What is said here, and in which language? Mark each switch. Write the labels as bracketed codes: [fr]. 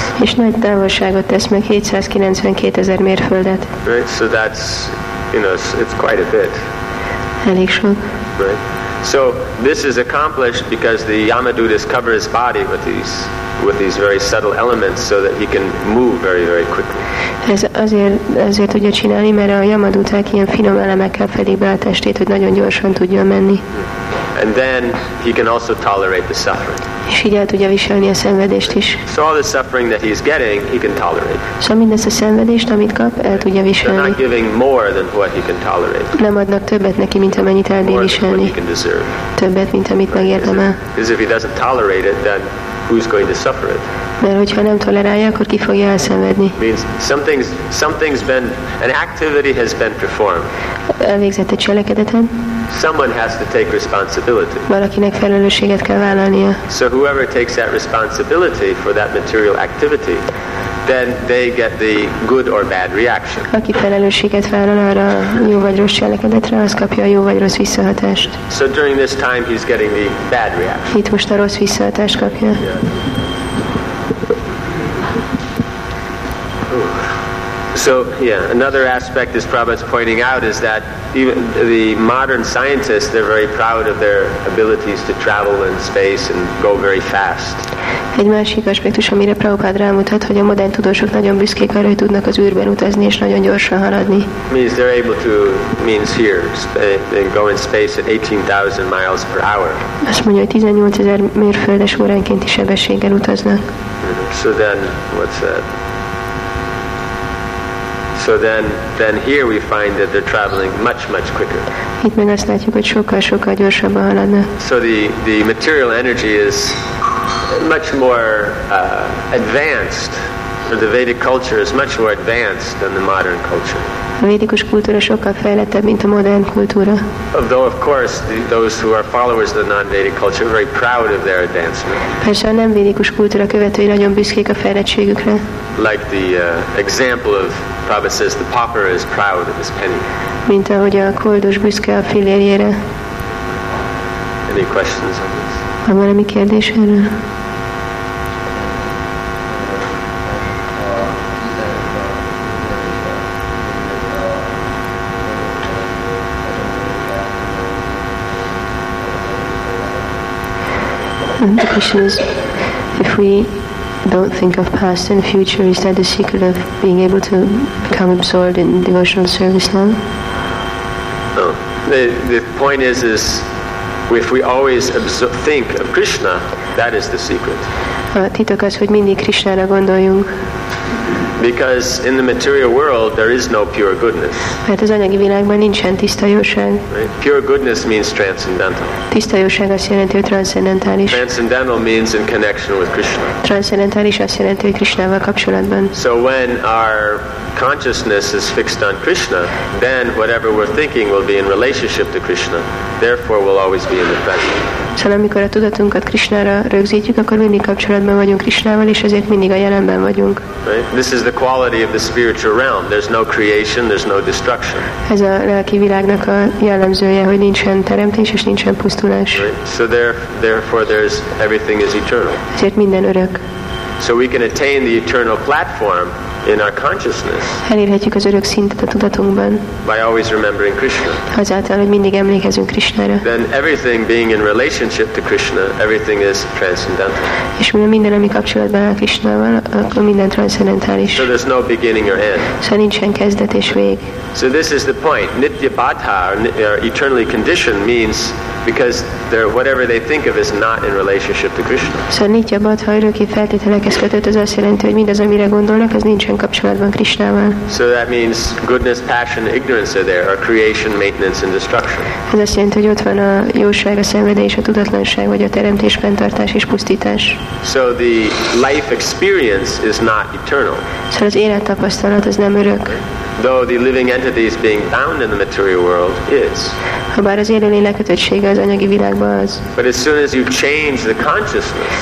[hu] És nagy távolságot tesz meg, 792,000 mérföldet. [en] Right. So that's, you know, it's quite a bit. [hu] Elég sok. [en] Right. So this is accomplished because the Yamadutas cover his body with these very subtle elements so that he can move very, very quickly. [hu] Ez azért tudja csinálni, mert a Yamaduták ilyen finom elemekkel fedik be a testét, hogy nagyon gyorsan tudjon menni. [en] And then he can also tolerate the suffering. [hu] És így el tudja viselni a szenvedést is. [en] So all the suffering that he's getting, he can tolerate. [hu] Szóval mindezt a szenvedést, amit kap, el tudja viselni. [en] They're not giving more than what he can tolerate. [hu] Nem adnak többet neki, mint amennyit el bír viselni. [en] More than what he can deserve. [hu] Többet, mint amit megérdemel. [en] Because if he doesn't tolerate it, then who's going to suffer it? [hu] Mert hogyha nem tolerálja, akkor ki fogja elszenvedni. [en] Means something's been, an activity has been performed. [hu] Elvégzett egy cselekedetet. [en] Someone has to take responsibility. [hu] Valakinek felelősséget kell vállalnia. [en] So whoever takes that responsibility for that material activity, then they get the good or bad reaction. [hu] Aki felelősséget vállal arra jó vagy rossz cselekedetre, az kapja a jó vagy rossz visszahatást. [en] So during this time he's getting the bad reaction. [hu] Itt most a rossz visszahatást kapja. [en] So, yeah, another aspect this Prabhupada's pointing out is that even the modern scientists, they're very proud of their abilities to travel in space and go very fast. [hu] Egy másik aspektus, amire Prabhupada rámutat, hogy a modern tudósok nagyon büszkék arra, hogy tudnak az űrben utazni és nagyon gyorsan haladni. [en] Means they're able to, means here, they go in space at 18,000 miles per hour. [hu] Azt mondja, hogy 18,000 mérföldes óránkénti sebességgel utaznak. [en] So then, what's that? So then here we find that they're traveling much, much quicker. [hu] Itt meg azt látjuk, hogy sokkal-sokkal gyorsabban haladnak. [en] So the material energy is much more advanced, or the Vedic culture is much more advanced than the modern culture. [hu] A védikus kultúra sokkal fejlettebb, mint a modern kultúra. [en] Although, of course, those who are followers of the non-védik culture are very proud of their advancement. [hu] Persze a nem védikus kultúra követői nagyon büszkék a fejlettségükre. [en] Like the example of Prabhupada says, the pauper is proud of his penny. [hu] Mint ahogy a koldus büszke a fillérjére. [en] Any questions on this? [hu] Van valami kérdés erről? [en] The question is, if we don't think of past and future, is that the secret of being able to become absorbed in devotional service now? No. The point is if we always think of Krishna, that is the secret. [hu] A titok az, hogy mindig Krishnára gondoljunk. [en] Because in the material world there is no pure goodness. [hu] Mert az anyagi világban nincsen tiszta jóság. [en] Pure goodness means transcendental. [hu] Tiszta jóság azt jelenti, hogy transzendentális. [en] Transcendental means in connection with Krishna. [hu] Transzendentális azt jelenti, hogy Krishnával kapcsolatban. [en] So when our consciousness is fixed on Krishna, then whatever we're thinking will be in relationship to Krishna. Therefore we'll always be in the present. [hu] Szóval amikor a tudatunkat Krishnára rögzítjük, akkor mindig kapcsolatban vagyunk Krishnával, és ezért mindig a jelenben vagyunk. [en] Right? This is the quality of the spiritual realm. There's no creation, there's no destruction. [hu] Ez a lelki világnak a jellemzője, hogy nincsen teremtés és nincsen pusztulás. [en] Right? So therefore there's everything is eternal. [hu] Ezért minden örök. [en] So we can attain the eternal platform in our consciousness. [hu] Elérhetjük az örök szintet a tudatunkban. [en] By always remembering Krishna. [hu] Azáltal, hogy mindig emlékezünk Krishnára. [en] Then everything being in relationship to Krishna, everything is transcendental. [hu] És minden, ami kapcsolatban áll Krishnával, akkor minden transzendentális. [en] So there's no beginning or end. [hu] Szóval nincsen kezdet és vég. [en] So this is the point. Nitya bhata, or eternally conditioned, means because they're whatever they think of is not in relationship to Krishna. [hu] Szóval nitya bhata, öröki feltételekhez kötött, az azt jelenti, hogy mindaz, amire gondolnak, az nincsen kapcsolatban Krishnával. [en] So that means goodness, passion, ignorance are there, or creation, maintenance, and destruction. [hu] Ez azt jelenti, hogy ott van a jóság, a szenvedés, a tudatlanság, vagy a teremtés, fenntartás és pusztítás. [en] So the life experience is not eternal. [hu] Szóval az élettapasztalat az nem örök. [en] Though the living entities being bound in the material world is. [hu] Habár az élőlények kötöttsége az anyagi világban az. [en] But as soon as you change the consciousness,